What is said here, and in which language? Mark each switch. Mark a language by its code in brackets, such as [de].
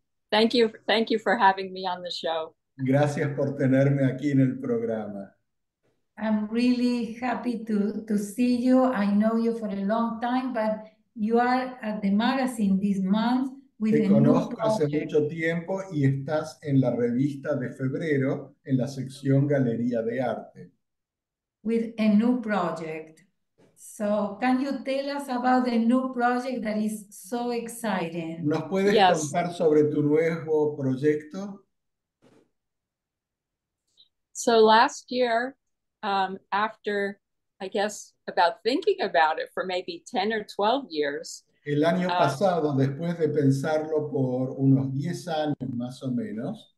[en] Thank you for having me on the show. [es] Gracias por tenerme aquí en el programa. [en] I'm really happy to see you. I know you for a long time, but you are at the magazine this month. [es] Te conozco hace mucho tiempo y estás en la revista de febrero en la sección Galería de Arte. [en] With a new project. So, can you tell us about the new project that is so exciting? [es] ¿Nos puedes [en] Yes. [es] contar sobre tu nuevo proyecto? [en] So, last year, after, I guess, about thinking about it for maybe 10 or 12 years, [es] el año pasado, después de pensarlo por unos 10 años más o menos,